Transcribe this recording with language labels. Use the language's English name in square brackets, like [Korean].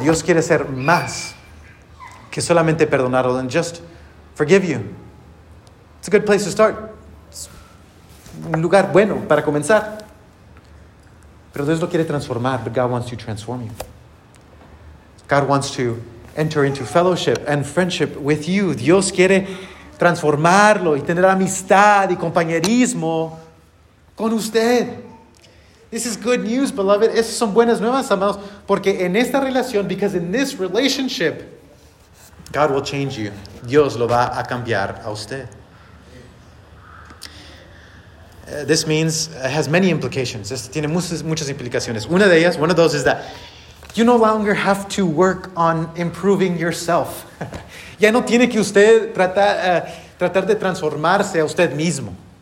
[Spanish] Dios quiere hacer más que solamente perdonarlo, [English] than just forgive you. It's a good place to start. [Spanish] It's un lugar bueno para comenzar. Pero Dios lo quiere transformar, [English] but God wants to transform you. God wants to enter into fellowship and friendship with you. [Spanish] Dios quiere transformarlo y tener amistad y compañerismo con usted. [English] This is good news, beloved. [Spanish] Estas son buenas nuevas, amados. Porque en esta relación, [English] because in this relationship, God will change you. [Spanish] Dios lo va a cambiar a usted. [English] This means, has many implications. Esto tiene muchas implicaciones. [Spanish] Una de ellas, [English] one of those is that you no longer have to work on improving yourself. [Spanish] Ya no tiene que usted tratar de transformarse a usted mismo.